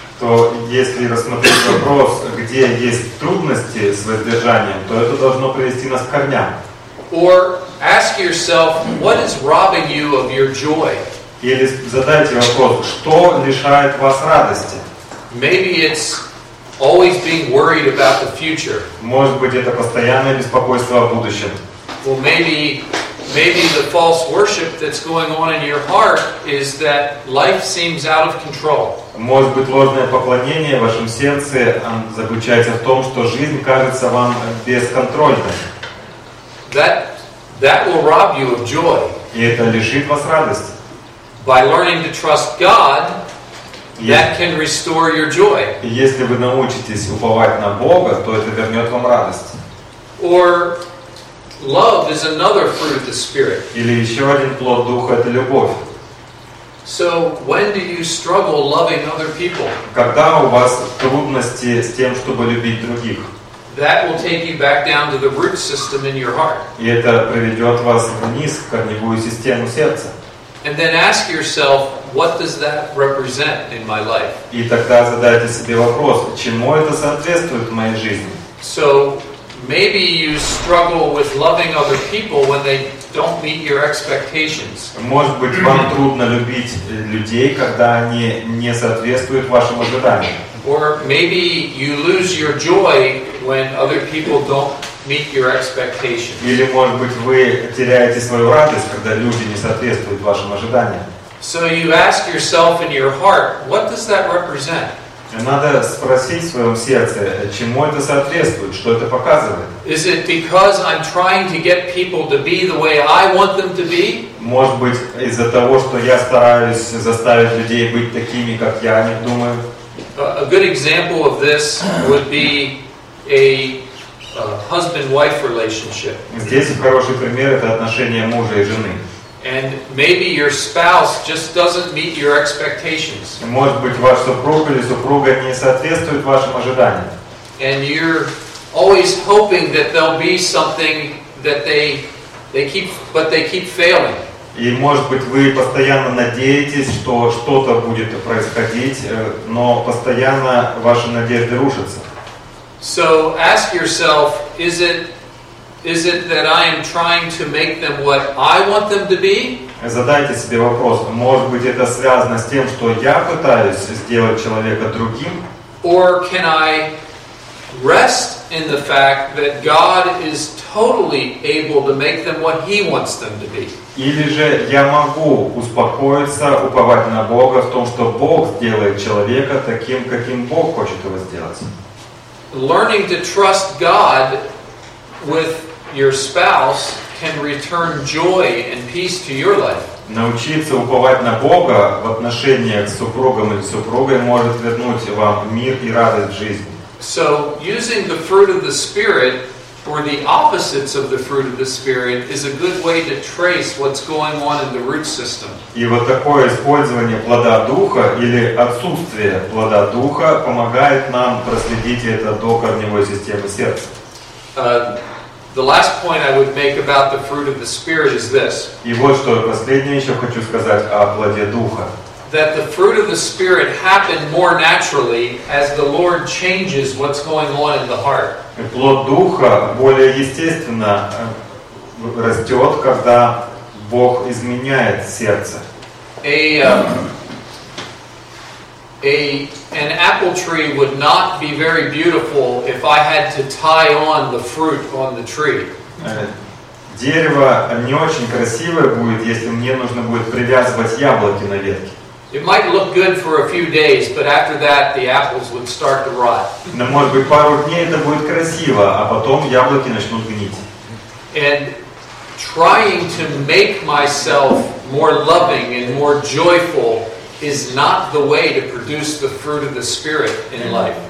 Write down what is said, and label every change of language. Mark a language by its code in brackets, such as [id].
[ru] То если рассмотреть вопрос, где есть трудности с воздержанием, то это должно привести нас к корням. [en] Or ask yourself, what is robbing you of your joy? [ru] Или задайте вопрос, что лишает вас радости? [en] Maybe it's always being worried about the future. [ru] Может быть, это постоянное беспокойство о будущем. [en] Well, maybe the false worship that's going on in your heart is that life seems out of control. [ru] Может быть, ложное поклонение в вашем сердце заключается в том, что жизнь кажется вам бесконтрольной. [en] That will rob you of joy. [ru] И это лишит вас радости. [en] By learning to trust God, that can restore your joy. [ru] Если вы научитесь уповать на Бога, то это вернет вам радость. [en] Or love is another fruit of the Spirit. [ru] Или еще один плод Духа — это любовь. [en] So when do you struggle loving other people? [ru] Когда у вас трудности с тем, чтобы любить других? [en] That will take you back down to the root system in your heart. [ru] И это приведет вас вниз, в корневую систему сердца. [en] And then ask yourself, what does that represent in my life? [ru] И тогда задайте себе вопрос, чему это соответствует в моей жизни? [en] So maybe you struggle with loving other people when they don't meet your expectations. [ru] Может быть, вам трудно любить людей, когда они не соответствуют вашим ожиданиям. [en] Or maybe you lose your joy when other people don't meet your expectations. [ru] Или, может быть, вы теряете свою радость, когда люди не соответствуют вашим ожиданиям. [en] So you ask yourself in your heart, what does that represent? [ru] Надо спросить в своем сердце, чему это соответствует, что это показывает. [en] Is it because I'm trying to get people to be the way I want them to be? [ru] Может быть, из-за того, что я стараюсь заставить людей быть такими, как я о них думаю. [en] A good example of this would be a husband-wife relationship. [ru] Здесь хороший пример — это отношения мужа и жены. [en] And maybe your spouse just doesn't meet your expectations. [ru] Может быть, ваш супруг или супруга не соответствует вашим ожиданиям. [en] And you're always hoping that there'll be something that they keep failing. [ru] И может быть, вы постоянно надеетесь, что что-то будет происходить, но постоянно ваши надежды рушатся. [en] So ask yourself, is it that I am trying to make them what I want them to be? [ru] Задайте себе вопрос, может быть, это связано с тем, что я пытаюсь сделать человека другим? [en] Or can I rest in the fact that God is totally able to make them what He wants them to be? [ru] Или же я могу успокоиться, уповать на Бога в том, что Бог сделает человека таким, каким Бог хочет его сделать? [en] Learning to trust God with your spouse can return joy and peace to your life. [ru] Научиться уповать на Бога в отношениях с супругом или супругой может вернуть вам мир и радость в жизни. [en] So, using the fruit of the Spirit or the opposites of the fruit of the Spirit is a good way to trace what's going on in the root system. [ru] И вот такое использование плода Духа или отсутствие плода Духа помогает нам проследить это до корневой системы сердца. [en] The last point I would make about the fruit of the Spirit is this. [ru] И вот что последнее еще хочу сказать о плоде Духа. [en] That the fruit of the Spirit happened more naturally as the Lord changes what's going on in the heart. [ru] Плод Духа более естественно растет, когда Бог изменяет сердце. [en] An apple tree would not be very beautiful if I had to tie on the fruit on the tree. [ru] дерево не очень красивое будет, если мне нужно будет привязывать яблоки на ветке. [en] It might look good for a few days, but after that the apples would start to rot. [ru] Но может быть пару дней это будет красиво, а потом яблоки начнут гнить. [en] And trying to make myself more loving and more joyful is not the way to produce the fruit of the Spirit in life.